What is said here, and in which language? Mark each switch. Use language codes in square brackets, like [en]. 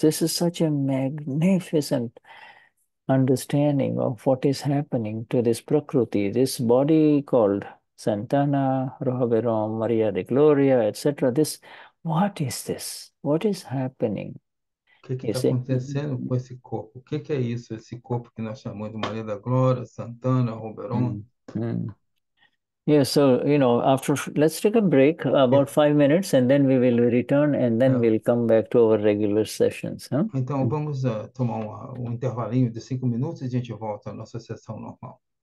[en] This is such a magnificent understanding of what is happening to this prakriti, this body called Santana, Rohabirom, Maria de Gloria, etc. This, what is this? What is happening? [pt] O que está acontecendo com esse corpo? O que que é isso, esse corpo que nós chamamos de Maria da Glória, Santana, Roberon? [en] Yeah, so, you know, after, let's take a break, about 5 minutes, and then we will return, and then we'll come back to our regular sessions. [pt] Então, vamos tomar um intervalinho de 5 minutos e a gente volta à nossa sessão normal.